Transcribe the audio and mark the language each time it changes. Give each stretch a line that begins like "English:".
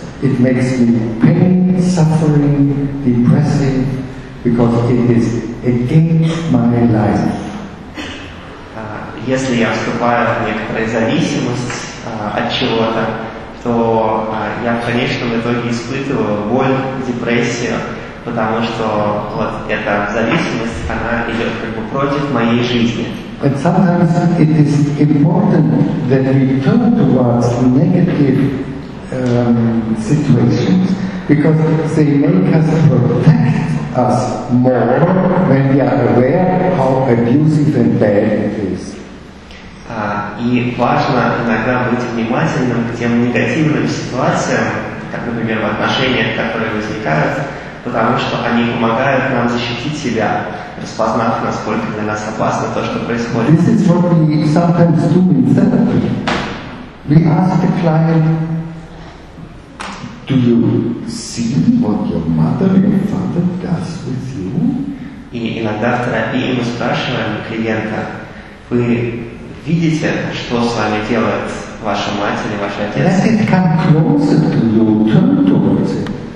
English: It makes me pain, suffering, depressive, because it is against my life.
Russian: Если я вступаю в некоторую зависимость от чего-то, то я в конечном итоге испытываю боль, депрессию. Потому что вот эта зависимость, она идет как бы против моей жизни.
English: And sometimes it is important that we turn towards negative situations because they make us protect us more when we are aware how abusive and bad it is.
Russian: И важно иногда быть внимательным к тем негативным ситуациям, как, например, в отношениях, которые возникают. Потому что они помогают нам защитить себя, распознав, насколько для нас опасно то, что происходит.
English: This is what we sometimes do in therapy. We ask the client, do you see what your mother and father does with you?
Russian: И иногда в терапии мы спрашиваем клиента, вы видите, что с вами делает ваша мать или ваш отец?
English: Let it come closer to you, turn towards it.